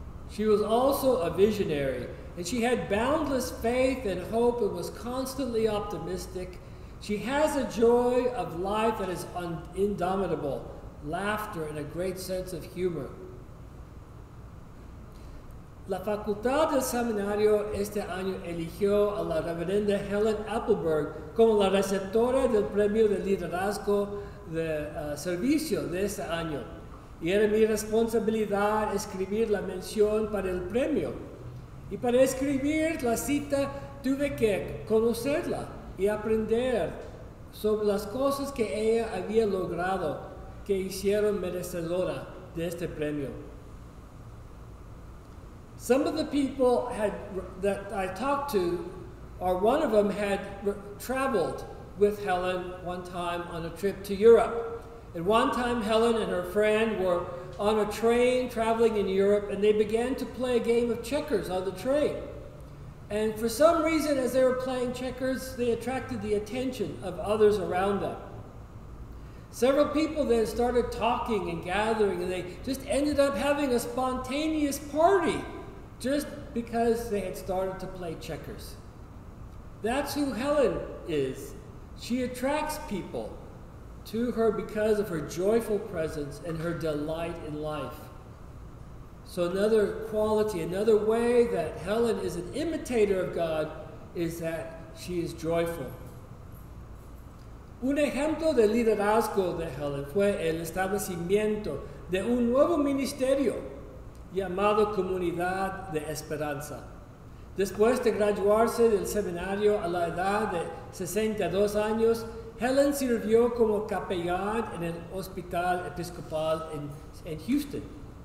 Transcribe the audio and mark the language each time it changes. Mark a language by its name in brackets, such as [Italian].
[English] She was also a visionary, and she had boundless faith and hope and was constantly optimistic. She has a joy of life that is indomitable, laughter and a great sense of humor. [Spanish] La Facultad del Seminario este año eligió a la Reverenda Helen Appleberg como la receptora del Premio de Liderazgo de Servicio de este año. Y era mi responsabilidad escribir la mención para el premio. Y para escribir la cita tuve que conocerla y aprender sobre las cosas que ella había logrado que hicieron merecedora de este premio. [English] Some of the people that I talked to, or one of them had traveled with Helen one time on a trip to Europe. And one time Helen and her friend were on a train traveling in Europe, and they began to play a game of checkers on the train. And for some reason, as they were playing checkers, they attracted the attention of others around them. Several people then started talking and gathering, and they just ended up having a spontaneous party just because they had started to play checkers. That's who Helen is. She attracts people to her because of her joyful presence and her delight in life. So another quality, another way that Helen is an imitator of God is that she is joyful. [Spanish] Un ejemplo de liderazgo de Helen fue el establecimiento de un nuevo ministerio llamado Comunidad de Esperanza. Después de graduarse del seminario a la edad de 62 años, Helen sirvió como capellán en el Hospital Episcopal en Houston.